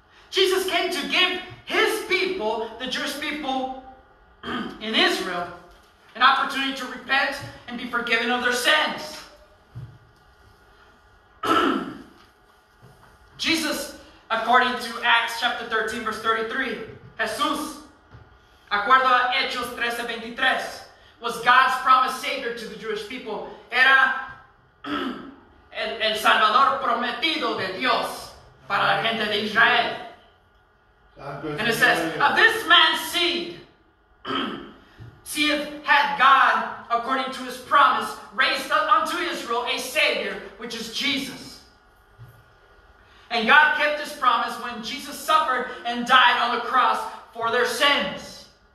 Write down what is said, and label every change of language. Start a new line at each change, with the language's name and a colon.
English: Jesus came to give his people, the Jewish people, in Israel, an opportunity to repent and be forgiven of their sins. Jesus, according to Acts chapter 13, verse 33,
Spanish: Jesús, acuerdo a Hechos 13, 23,
English: was God's promised Savior to the Jewish people.
Spanish: Era el Salvador prometido de Dios para la gente de Israel.
English: And it says, of this man's seed, see if had God, according to his promise, raised up unto Israel a Savior, which is Jesus. And God kept his promise when Jesus suffered and died on the cross for their sins.